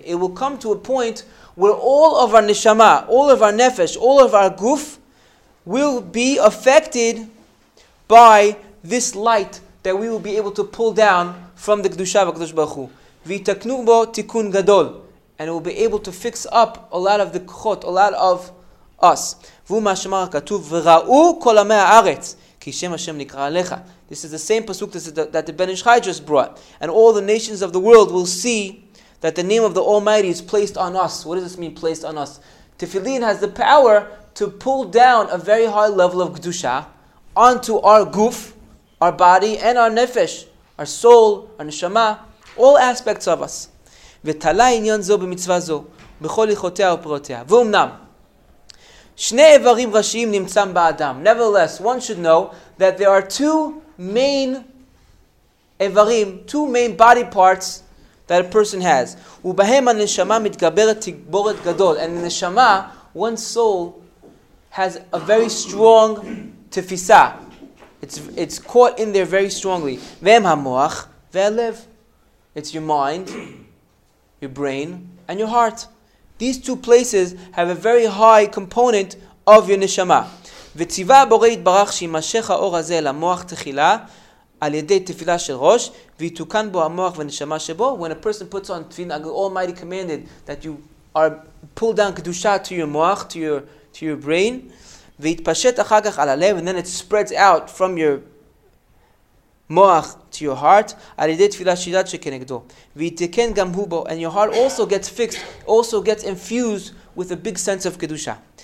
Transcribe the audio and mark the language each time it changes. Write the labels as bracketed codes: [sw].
[en] It will come to a point where all of our neshama, all of our nefesh, all of our guf will be affected by this light that we will be able to pull down from the Kedusha והקדוש ברוך הוא. [he] ויתקנו בו תיקון גדול. [en] And it will be able to fix up a lot of the kuchot, a lot of us. [he] והוא מהשמר הכתוב, וראו כל עמי הארץ, כי שם השם נקרא עליך. [en] This is the same pasuk that the Ben Ishchai just brought. And all the nations of the world will see that the name of the Almighty is placed on us. What does this mean, placed on us? Tefillin has the power to pull down a very high level of Kedusha onto our guf, our body, and our nefesh, our soul, our neshama, all aspects of us. [he] ותלה עניין זו במצווה זו, בכל יחותיה ופרותיה. ואומנם, שני איברים ראשיים נמצאים באדם. [en] Nevertheless, one should know that there are two main body parts that a person has. [he] ובהם הנשמה מתגברת תגבורת גדול. [en] And the neshama, one's soul, has a very strong tefisa. It's caught in there very strongly. [he] והם המוח והלב. [en] It's your mind, your brain, and your heart. These two places have a very high component of your neshama. [he] וציווה הבורא יתברך שימשך האור הזה למוח תחילה על ידי תפילה של ראש ויתוקן בו המוח ונשמה שבו. [en] When a person puts on tefillin, the Almighty commanded that you are pulled down kedusha to your moach, to your brain, [he] ויתפשט אחר כך על הלב, [en] and then it spreads out from your moach to your heart [he] על ידי תפילה שידת שכנגדו, ויתקן גם הוא בו, [en] and your heart also gets fixed, also gets infused with a big sense of kedusha.